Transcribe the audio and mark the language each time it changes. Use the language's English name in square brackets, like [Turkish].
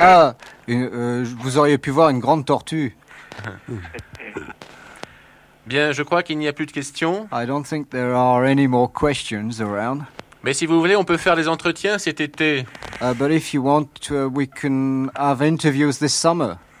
[French] Ah, vous auriez pu voir une grande tortue. Bien, je crois qu'il n'y a plus de questions. [English] I don't think there are any more questions around. [French] Mais si vous voulez, on peut faire des entretiens cet été. [English] But if you want, we can have interviews this summer.